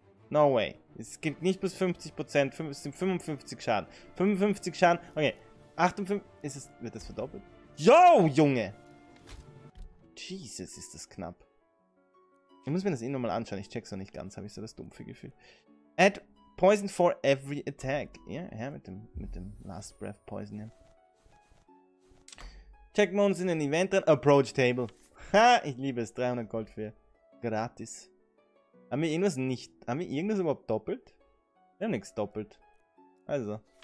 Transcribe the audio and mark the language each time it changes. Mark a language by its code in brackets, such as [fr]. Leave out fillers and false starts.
[en] No way. [de] Es gibt nicht bis 50%. Es sind 55 Schaden. 55 Schaden. Okay. 58. Ist es. Wird das verdoppelt? Yo, Junge! Jesus, ist das knapp. Ich muss mir das eh nochmal anschauen. Ich check's noch nicht ganz. Habe ich so das dumpfe Gefühl. [en] Add poison for every attack. [de] Ja, her mit dem Last Breath Poison. Ja. Checken wir uns in den Event drin. Approach Table. Ha, ich liebe es. 300 Gold für gratis. Haben wir irgendwas nicht. Haben wir irgendwas überhaupt doppelt? Wir haben nichts doppelt. Also.